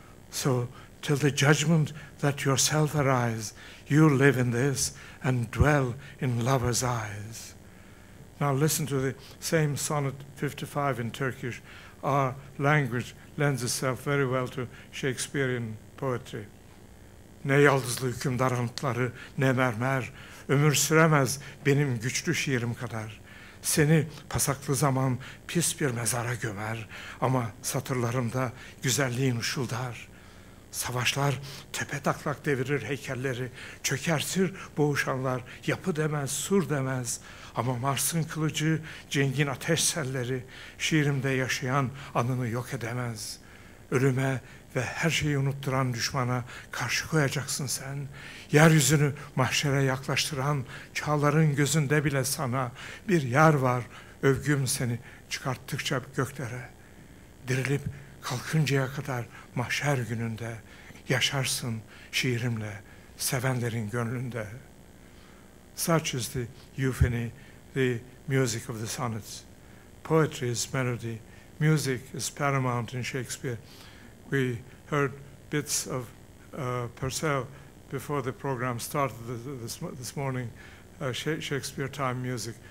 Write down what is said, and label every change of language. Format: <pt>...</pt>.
<en>So till the judgment that yourself arise, you live in this and dwell in lover's eyes. Now listen to the same sonnet 55 in Turkish. Our language lends itself very well to Shakespearean poetry.</en> <tr>Ne yaldızlı hükümdar anıtları, ne mermer, ömür süremez benim güçlü şiirim kadar. Seni pasaklı zaman pis bir mezara gömer, ama satırlarımda güzelliğin ışıldar. Savaşlar tepe taklak devirir heykelleri, çökersir boğuşanlar, yapı demez, sur demez. Ama Mars'ın kılıcı, cengin ateş selleri, şiirimde yaşayan anını yok edemez. Ölüme ve her şeyi unutturan düşmana karşı koyacaksın sen. Yeryüzünü mahşere yaklaştıran çağların gözünde bile sana bir yer var. Övgüm seni çıkarttıkça göklere. Dirilip kalkıncaya kadar mahşer gününde yaşarsın şiirimle sevenlerin gönlünde.</tr> <en>Such is the euphony, the music of the sonnets. Poetry is melody. Music is paramount in Shakespeare. We heard bits of Purcell before the program started this morning, Shakespeare time music.</en>